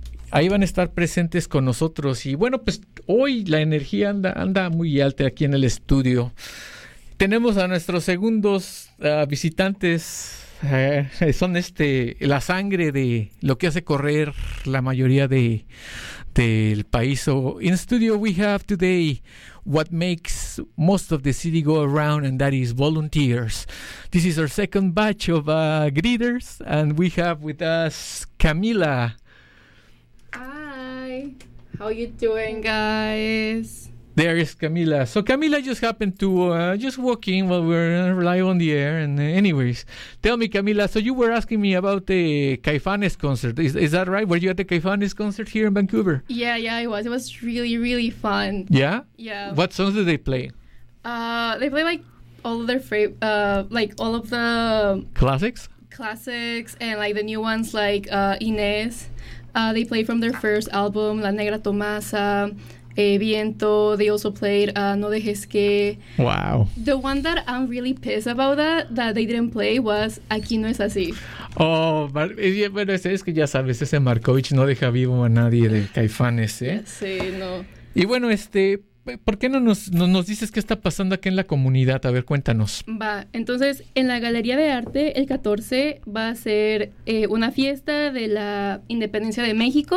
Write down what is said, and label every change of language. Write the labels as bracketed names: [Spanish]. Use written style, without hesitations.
[Spanish] Ahí van a estar presentes con nosotros. Y bueno, pues hoy la energía anda muy alta aquí en el estudio. Tenemos a nuestros segundos visitantes. Son la sangre de lo que hace correr la mayoría del país. [English] So, in studio we have today what makes most of the city go around, and that is volunteers. This is our second batch of greeters, and we have with us Camila. Hi, how you doing, guys? There is Camila. So Camila just happened to just walk in while we're live on the air. And anyways, tell me, Camila, so you were asking me about the Caifanes concert. Is that right? Were you at the Caifanes concert here in Vancouver? Yeah, it was. It was really, really fun. Yeah? Yeah. What songs did they play? They play like all of their all of the... Classics? Classics and like the new ones like Inés. They play from their first album, La Negra Tomasa. Viento, they also played No Dejes Que. Wow. The one that I'm really pissed about that they didn't play was Aquí No Es Así. [Spanish] Oh, pero es que ya sabes, ese Markovich no deja vivo a nadie de Caifanes, ¿eh? Sí, no. Y bueno, ¿por qué no nos dices qué está pasando aquí en la comunidad? A ver, cuéntanos. Va, entonces, en la Galería de Arte, el 14 va a ser una fiesta de la Independencia de México.